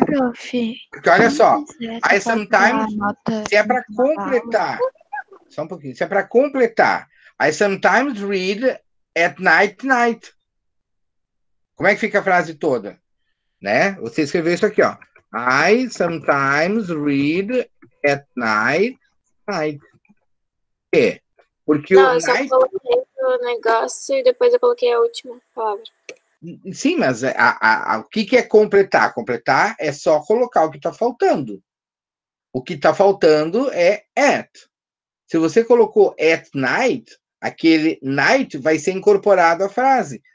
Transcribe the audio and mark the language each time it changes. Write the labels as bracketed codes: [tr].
[pt] Ô, prof. Porque olha só, aí [en] sometimes, [pt] se é pra completar, só um pouquinho, se é pra completar, [en] I sometimes read at night, night. [pt] Como é que fica a frase toda? Né? Você escreveu isso aqui, ó. [en] I sometimes read at night. Night. [pt] Por quê? Porque não, o eu [en] night... [pt] só coloquei o negócio e depois eu coloquei a última palavra. Sim, mas o que, que é completar? Completar é só colocar o que está faltando. O que está faltando é at. Se você colocou [en] at night, [pt] aquele night vai ser incorporado à frase.